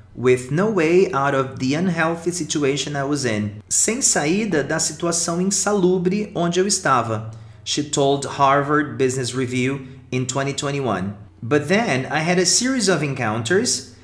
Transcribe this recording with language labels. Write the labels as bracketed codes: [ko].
[en] With no way out of the unhealthy situation I was in. [pt] Sem saída da situação insalubre onde eu estava. [en] She told Harvard Business Review in 2021. But then I had a series of encounters.